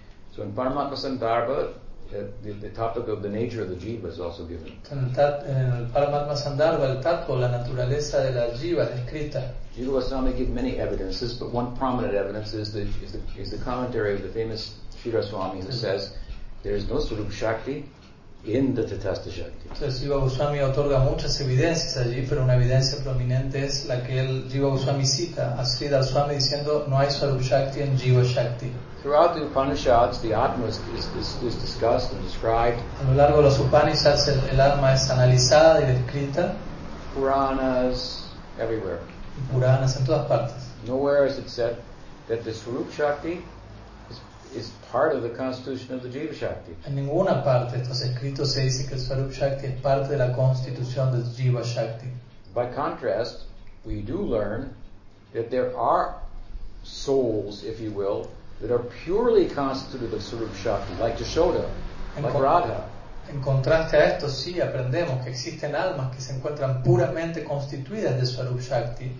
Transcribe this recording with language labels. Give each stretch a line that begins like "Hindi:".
English: So in Paramatma Sandarbha, the topic of the nature of the jiva is also given.
Spanish: En el Paramatma Sandarbha, el tatu, la naturaleza de la jiva, descrita.
English: Jiva Goswami give many evidences, but one prominent evidence is the commentary of the famous Sridhar Swami, who says there is no Swarup Shakti in the Tathasta Shakti.
Spanish: Entonces Jiva Goswami otorga muchas evidencias allí, pero una evidencia prominente es la que el Jiva Goswami cita a Sridhar Swami diciendo no hay Swarup Shakti en Jiva Shakti.
English: Throughout the Upanishads, the Atma is discussed and described.
Spanish: A lo largo de los Upanishads, el alma es analizada y descrita.
English: Puranas, everywhere.
Spanish: Puranas en todas partes.
English: Nowhere is it said that the Swarup Shakti is part of the constitution of the Jiva Shakti.
Spanish: En ninguna parte estos escritos se dice que el Swarup Shakti es parte de la constitución del Jiva Shakti.
English: By contrast, we do learn that there are souls, if you will, that are purely constituted of Swarup Shakti, like Yashoda, like Radha.
Spanish: En contraste a esto, sí aprendemos que existen almas que se encuentran puramente constituidas de Swarup Shakti,